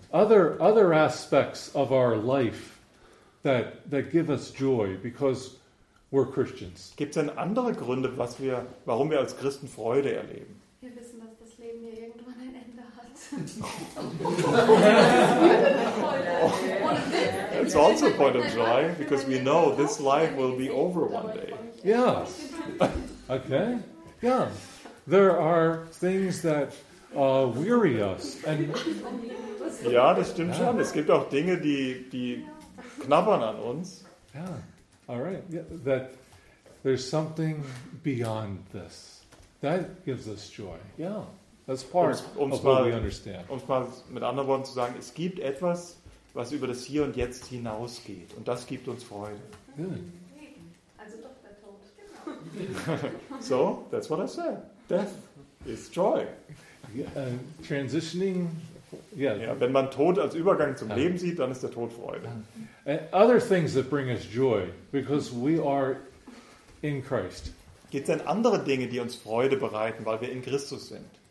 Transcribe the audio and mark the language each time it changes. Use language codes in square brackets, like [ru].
[en] Other aspects of our life that give us joy because we're Christians. [de] Gibt es denn andere Gründe, warum wir als Christen Freude erleben? Wir wissen, dass das Leben hier irgendwann ein Ende hat. [en] It's also a point of joy because we know this life will be over one day. Yeah. Okay. Yeah. There are things that weary us. And [de] ja, das stimmt schon. Es gibt auch Dinge, die knabbern an uns. [en] Yeah. All right. Yeah. That there's something beyond this that gives us joy. Yeah. That's part of what we understand. [de] Um es mal mit anderen Worten zu sagen, es gibt etwas, was über das Hier und Jetzt hinausgeht. Und das gibt uns Freude. Also doch der Tod. [en] So, that's what I said. Death is joy. Transitioning. Yeah. [de] Ja, wenn man Tod als Übergang zum Leben sieht, dann ist der Tod Freude. [en] Other things that bring us joy, because we are in Christ. [de] Gibt es denn andere Dinge, die uns Freude bereiten, weil wir in Christus sind?